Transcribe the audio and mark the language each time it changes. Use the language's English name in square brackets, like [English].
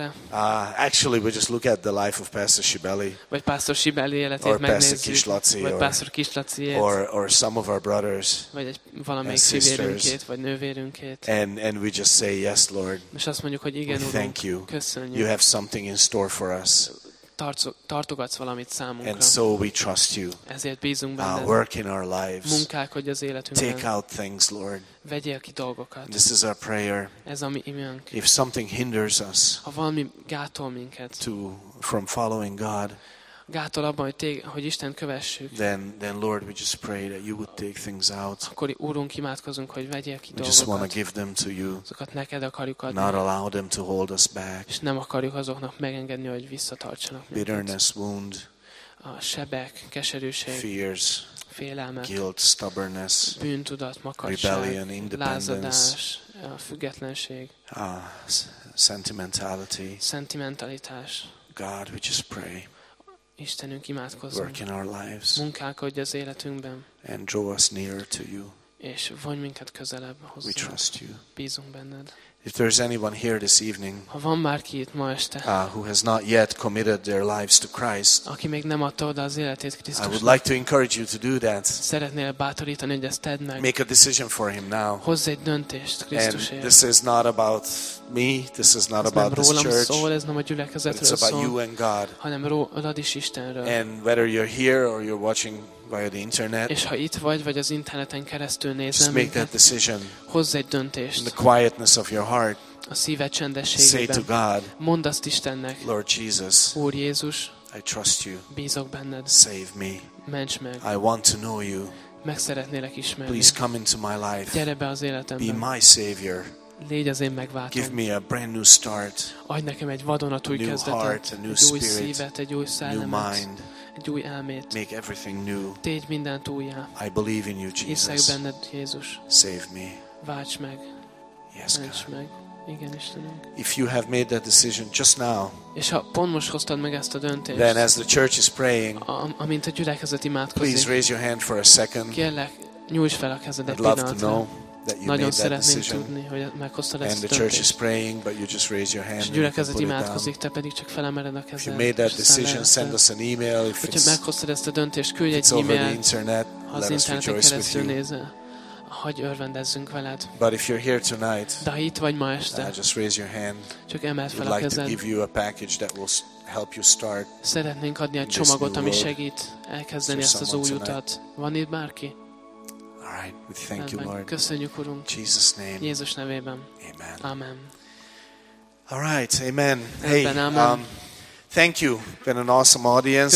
[English] Actually, we just look at the life of Pastor Shibeli, [Hungarian] vagy Pastor Shibeli életét [English] or Pastor Kislaci, or some of our brothers, [Hungarian] vagy valamelyik fivérünkét, vagy nővérünkét. [English] And we just say yes, Lord. [Hungarian] És azt mondjuk, hogy igen, Urunk. [English] Thank you. [Hungarian] Köszönjük. [English] You have something in store for us. [Hungarian] Tartogatsz valamit számunkra. [English] And so we trust you. [Hungarian] Ezért bízunk benned. [English] Work in our lives. [Hungarian] Munkálkodj az életünkben. [English] Take out things, Lord. [Hungarian] Vegyél ki dolgokat. [English] This is our prayer. [Hungarian] Ez a mi imánk. [English] If something hinders us, [Hungarian] ha valami gátol minket, [English] from following God, [Hungarian] gátol abban, hogy Istent kövessük. [English] Then Lord, we just pray that you would take things out. [Hungarian] Akkor Úrunk, imádkozunk, hogy vegyél ki dolgokat. [English] We just want to give them to you. [Hungarian] Azokat neked akarjuk adni. [English] Not allow them to hold us back. [Hungarian] És nem akarjuk azoknak megengedni, hogy visszatartsanak minket. [English] Bitterness, wound. [Hungarian] A sebek, keserűség. [English] Fears. [Hungarian] félelmet, [English] guilt, stubbornness, [Hungarian] bűntudat, makacság, [English] rebellion, independence, [Hungarian] lázadás, függetlenség, [English] sentimentality, [Hungarian] szentimentalitás. [English] God, we just pray. [Hungarian] Istenünk, imádkozunk. [English] Work in our lives. [Hungarian] Munkálkodj az életünkben. [English] And draw us nearer to you. [Hungarian] És vonj minket közelebb hozzád. [English] We trust you. [Hungarian] Bízunk benned. [English] If there is anyone here this evening, [Hungarian] ha van bárki itt ma este, [English] who has not yet committed their lives to Christ, [Hungarian] aki még nem adta oda az életét Krisztusnak, [English] I would like to encourage you to do that. [Hungarian] Szeretnél bátorítani, hogy ezt tedd meg. [English] Make a decision for him now. [Hungarian] Hozz egy döntést Krisztusért. [English] This is not about me. This is not about this church. [Hungarian] Szól, ez nem a gyülekezetről szól. [English] It's about you and God. [Hungarian] Hanem rólad is Istenről. [English] And whether you're here or you're watching via the internet, [Hungarian] és ha itt vagy az interneten keresztül nézel, [English] just make that decision. [Hungarian] Hozz egy döntést. [English] In the quietness of your heart, [Hungarian] a szíved csendességében. [English] Say to God, [Hungarian] mondd azt Istennek, [English] Lord Jesus, [Hungarian] Úr Jézus, [English] I trust you. [Hungarian] Bízok benned. [English] Save me. [Hungarian] Ments meg. [English] I want to know you. [Hungarian] Meg szeretnélek ismerni. [English] Please come into my life. [Hungarian] Gyere be az életembe. [English] Be my savior. [Hungarian] Légy az én megváltom. [English] Give me a brand new start. [Hungarian] Adj nekem egy vadonatúj kezdetet. [English] New heart, a new spirit, [Hungarian] egy új szívet, egy új szellemet. [English] New mind. [Hungarian] Egy új elmét. [English] Make everything new. [Hungarian] Tégy mindent újjá. [English] I believe in you, Jesus. [Hungarian] Hiszek benned, Jézus. [English] Save me. [Hungarian] Válts meg. [English] Yes, [Hungarian] ments [English] God. [Hungarian] Meg. Igen, Istenünk. [English] If you have made that decision just now, [Hungarian] és ha pont most hoztad meg ezt a döntést, [English] then as the church is praying, [Hungarian] amint a gyülekezet imádkozik, [English] please raise your hand for a second. [Hungarian] Kérlek, nyújts fel a kezed egy pillanatra. [English] I'd love to know that you [Hungarian] nagyon [English] made that decision. [Hungarian] Tudni, hogy meghoztad ezt a döntést. [English] And the church is praying, but you just raise your hand. [Hungarian] És a gyülekezet imádkozik, te pedig csak felemeled a kezed. [English] If you made that decision, send us an email. If [Hungarian] hogyha meghoztad ezt a döntést, küldj egy e-mailt. [English] Over the internet, [Hungarian] az interneten keresztül nézel. Hogy örvendezzünk veled. [English] But if you're here tonight, [Hungarian] de ha itt vagy ma este, [English] just raise your hand. [Hungarian] Csak emeld fel a kezed. [English] We'd like to give you a package that will help you start. [Hungarian] Szeretnénk adni egy csomagot, ami segít elkezdeni ezt az új utat. Van itt bárki? [English] All right, we thank you, Lord. [Hungarian] Köszönjük, Urunk. [English] Jesus name. [Hungarian] Jézus nevében. [English] Amen. [Hungarian] Amen. [English] All right, amen. Hey, thank you. Been an awesome audience.